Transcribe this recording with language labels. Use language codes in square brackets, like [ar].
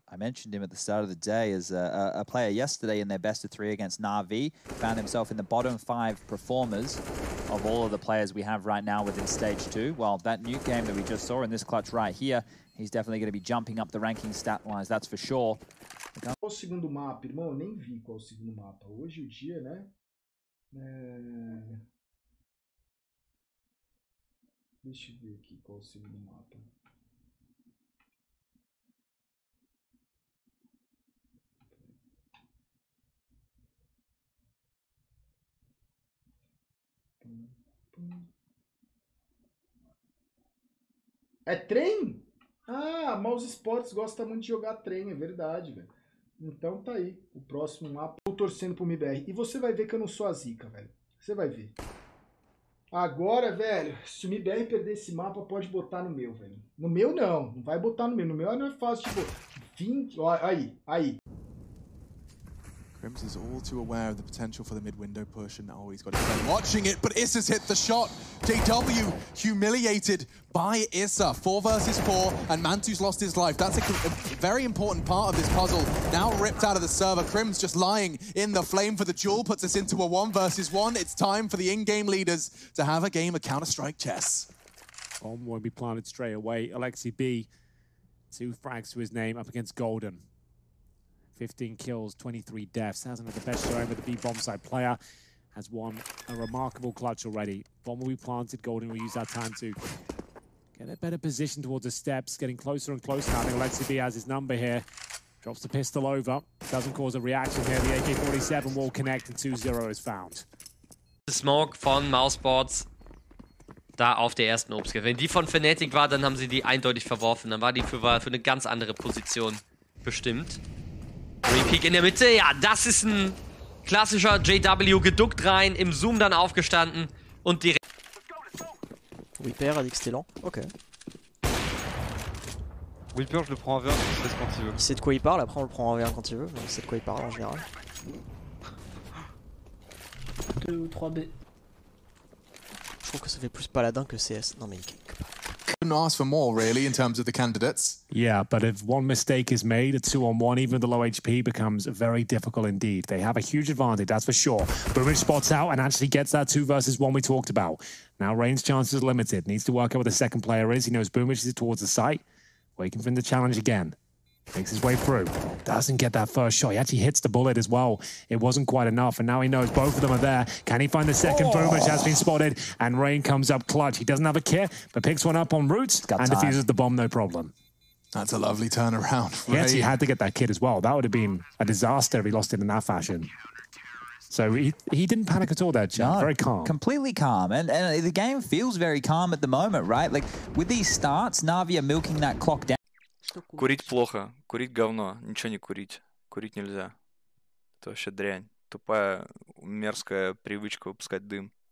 [en] I mentioned him at the start of the day as a player yesterday in their best of three against Na'Vi. Found himself in the bottom five performers of all of the players we have right now within stage two. Well, that new game that we just saw in this clutch right here, he's definitely going to be jumping up the ranking stat-wise, that's for sure. [pt] Qual o segundo mapa, irmão? Eu nem vi qual o segundo mapa. Hoje o dia, né? Deixa eu ver aqui qual o segundo mapa. É trem? Ah, Mouse Sports gosta muito de jogar trem, é verdade, velho. Então tá aí, o próximo mapa. Tô torcendo pro MIBR. E você vai ver que eu não sou a zica, velho. Você vai ver. Agora, velho, se o MIBR perder esse mapa, pode botar no meu, velho. No meu não, não vai botar no meu. No meu não é fácil, tipo, 20... Ó, aí, aí. [en] Grimms is all too aware of the potential for the mid-window push, and oh, he's got his friend watching it, but Issa's hit the shot. JW humiliated by Issa. 4v4, and Mantu's lost his life. That's a very important part of this puzzle. Now ripped out of the server. Grimms just lying in the flame for the duel, puts us into a 1v1. It's time for the in-game leaders to have a game of Counter-Strike Chess. Bomb won't be planted straight away. Alexi B, two frags to his name up against Golden. 15 kills, 23 deaths. Hasn't had the best showing, but the B bombsite player has won a remarkable clutch already. Bomb will be planted. Golden will use that time to get a better position towards the steps. Getting closer and closer now. I think Alexi B has his number here. Drops the pistol over. Doesn't cause a reaction here. The AK-47 will connect and 2-0 is found. The smoke from Mouseboards. [de] Da auf der ersten Obstkette. Wenn die von Fnatic war, dann haben sie die eindeutig verworfen. Dann war die für eine ganz andere Position bestimmt. Re-Peak in der Mitte, ja, das ist ein klassischer JW, geduckt rein, im Zoom dann aufgestanden und direkt... [fr] Reaper a dit que c'était lent, ok. Reaper, je le prends en V1, je sais quand il veut. Il sait de quoi il parle, après on le prend en V1 quand il veut, mais il sait de quoi il parle en général. 2 ou 3 B. Je trouve que ça fait plus paladin que CS, non mais il kick pas. [en] Couldn't ask for more, really, in terms of the candidates. Yeah, but if one mistake is made, a 2-on-1, even the low HP, becomes very difficult indeed. They have a huge advantage, that's for sure. Boomish spots out and actually gets that 2v1 we talked about. Now Rain's chances are limited. Needs to work out where the second player is. He knows Boomish is towards the site. Waking for the challenge again. Makes his way through. Doesn't get that first shot. He actually hits the bullet as well. It wasn't quite enough, and now he knows both of them are there. Can he find the second? Oh. Boomish has been spotted, and Rain comes up clutch. He doesn't have a kit, but picks one up on Roots and defuses the bomb, no problem. That's a lovely turnaround. He actually had to get that kit as well. That would have been a disaster if he lost it in that fashion. So he didn't panic at all there, Chang. No, very calm. Completely calm. And the game feels very calm at the moment, right? Like, with these starts, Na'Vi are milking that clock down. [ru] Курить плохо, курить говно, ничего не курить, курить нельзя. Это вообще дрянь, тупая, мерзкая привычка выпускать дым.